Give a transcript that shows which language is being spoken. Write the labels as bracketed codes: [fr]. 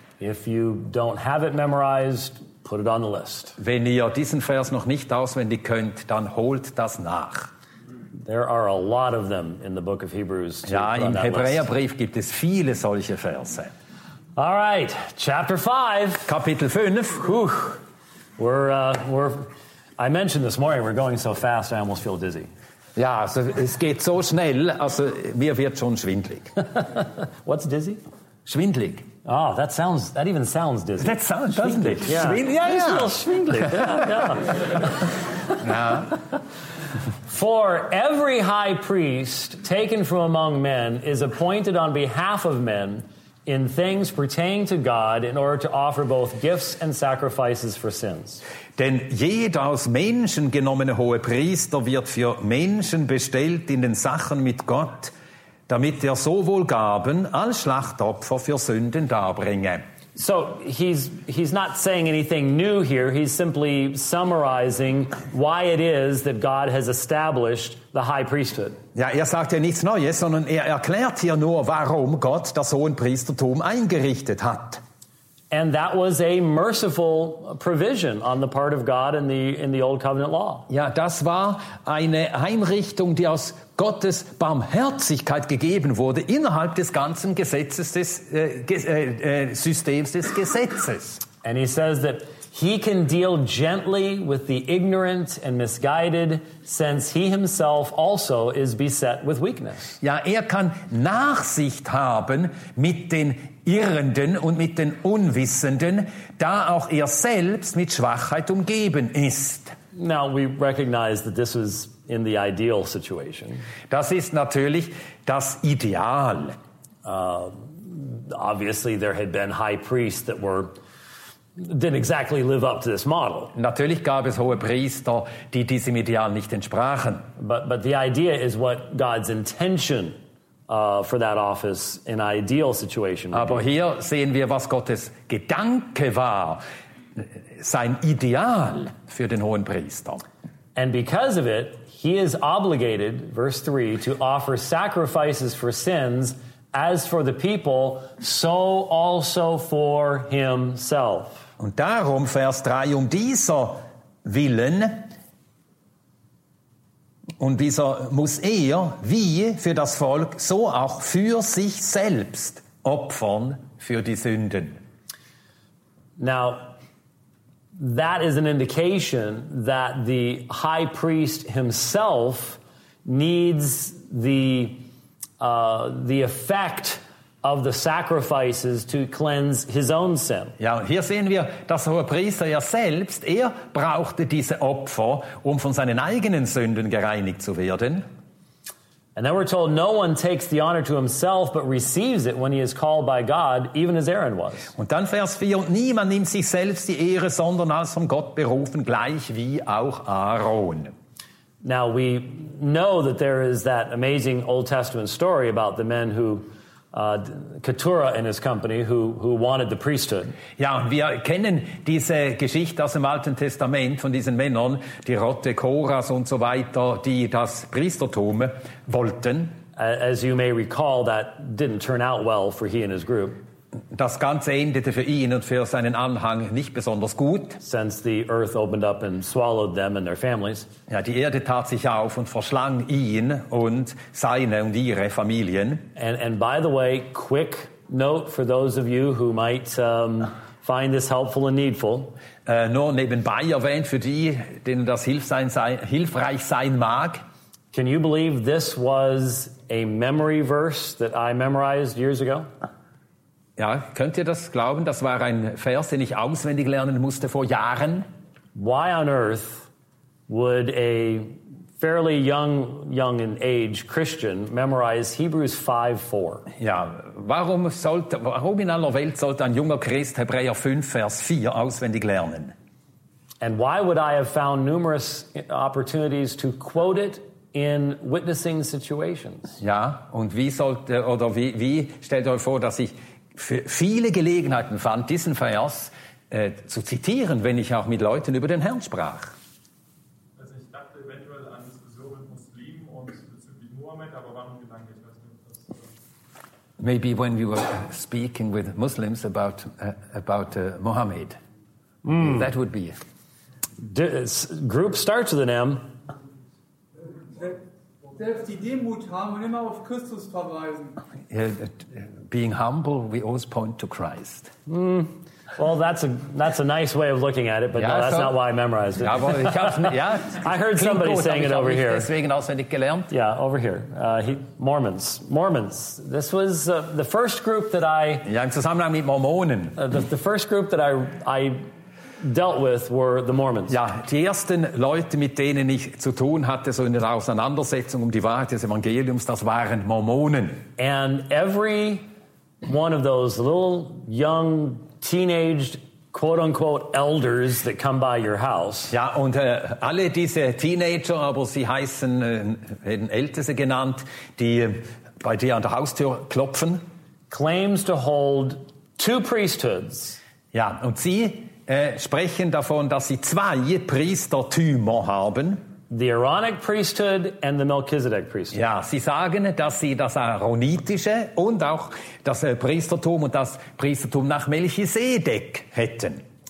[en] If you don't have it memorized, put it on the list. [de] Wenn ihr diesen Vers noch nicht auswendig könnt, dann holt das nach. [en] There are a lot of them in the book of Hebrews. [de] Ja, im Hebräerbrief gibt es viele solche Verse. [en] All right, chapter 5. [de] Kapitel 5. [en] I mentioned this morning we're going so fast I almost feel dizzy. [de] Ja, also, es geht so schnell, also mir wird schon schwindlig. [en] What's dizzy? [de] Schwindlig. [en] Oh, that even sounds dizzy. That sounds, doesn't it? Yeah. Yeah, it's a little schwindlig. Yeah, yeah. For every high priest taken from among men is appointed on behalf of men in things pertaining to God in order to offer both gifts and sacrifices for sins. [de] Denn jeder aus Menschen genommene hohe Priester wird für Menschen bestellt in den Sachen mit Gott, damit er sowohl Gaben als Schlachtopfer für Sünden darbringe. [en] So he's not saying anything new here. He's simply summarizing why it is that God has established the high priesthood. [de] Ja, er sagt ja nichts Neues, sondern er erklärt hier nur, warum Gott das Hohenpriestertum eingerichtet hat. [en] And that was a merciful provision on the part of God in the Old Covenant law. [de] Ja, das war eine Einrichtung, die aus Gottes Barmherzigkeit gegeben wurde innerhalb des ganzen Gesetzes des Systems des Gesetzes. [en] And he says that he can deal gently with the ignorant and misguided, since he himself also is beset with weakness. [de] Ja, er kann Nachsicht haben mit den Irrenden und mit den Unwissenden, da auch er selbst mit Schwachheit umgeben ist. [en] Now we recognize that this is in the ideal situation. [de] Das ist natürlich das Ideal. [en] Obviously there had been high priests that were didn't exactly live up to this model. [de] Natürlich gab es hohe Priester, die diesem Ideal nicht entsprachen. [en] But the idea is what God's intention for that office in ideal situation. [de] Aber hier sehen wir, was Gottes Gedanke war, sein Ideal für den hohen Priester. [en] And because of it, he is obligated, verse 3, to offer sacrifices for sins, as for the people, so also for himself. [de] Und darum, Vers 3, um dieser Willen, und dieser muss er, wie für das Volk, so auch für sich selbst opfern für die Sünden. [en] Now, that is an indication that the high priest himself needs the effect of the sacrifices to cleanse his own sin. [de] Ja, und hier sehen wir, dass der Priester ja selbst, er brauchte diese Opfer, um von seinen eigenen Sünden gereinigt zu werden. [en] And then we're told no one takes the honor to himself but receives it when he is called by God, even as Aaron was. [de] Und dann Vers 4, und niemand nimmt sich selbst die Ehre, sondern als von Gott berufen, gleich wie auch Aaron. [en] Now we know that there is that amazing Old Testament story about the men who Keturah and his company who wanted the priesthood. [de] Ja, wir kennen diese Geschichte aus dem Alten Testament von diesen Männern, die Rotte Koras und so weiter, die das Priestertum wollten. [en] As you may recall, that didn't turn out well for he and his group. [de] Das Ganze endete für ihn und für seinen Anhang nicht besonders gut. [en] Since the earth opened up and swallowed them and their families. [de] Ja, die Erde tat sich auf und verschlang ihn und seine und ihre Familien. [en] And by the way, quick note for those of you who might find this helpful and needful. [de] Nur nebenbei erwähnt für die, denen das hilfreich sein mag. [en] Can you believe this was a memory verse that I memorized years ago? [de] Ja, könnt ihr das glauben? Das war ein Vers, den ich auswendig lernen musste vor Jahren. [en] Why on earth would a fairly young in age Christian memorize Hebrews 5:4? [de] Ja, warum in aller Welt sollte ein junger Christ Hebräer 5, Vers 4 auswendig lernen? [en] And why would I have found numerous opportunities to quote it in witnessing situations? [de] Ja, und wie stellt ihr euch vor, dass ich viele Gelegenheiten fand, diesen Vers zu zitieren, wenn ich auch mit Leuten über den Herrn sprach. Also ich dachte eventuell an Diskussionen mit Muslimen und bezüglich Mohammed, aber war nur ein Gedanke, ich weiß nicht, ob das... [en] Maybe when we were speaking with Muslims about Mohammed. Mm. That would be... Group starts with an M. [de] Selbst die Demut haben und immer auf Christus verweisen. [en] Being humble, we always point to Christ. Mm. Well, that's a nice way of looking at it, but ja, no, that's not why I memorized it. I heard somebody saying it over here. [de] Deswegen auswendig gelernt. [en] Yeah, over here. Mormons. This was the first group that I... [de] Ja, im Zusammenhang mit Mormonen. [en] The first group that I dealt with were the Mormons. [de] Ja, die ersten Leute, mit denen ich zu tun hatte, so in der Auseinandersetzung um die Wahrheit des Evangeliums, das waren Mormonen. [en] And every one of those little young teenaged quote unquote elders that come by your house. [de] Ja, und alle diese Teenager, aber sie heißen werden Älteste genannt, die bei dir an der Haustür klopfen. [en] Claims to hold two priesthoods. [de] Ja, und sie sprechen davon, dass sie zwei Priestertümer haben. [en] The Aaronic priesthood and the Melchizedek priesthood. [de] Ja, sie sagen, dass sie das Aaronitische und auch das Priestertum und das Priestertum nach Melchisedek hätten.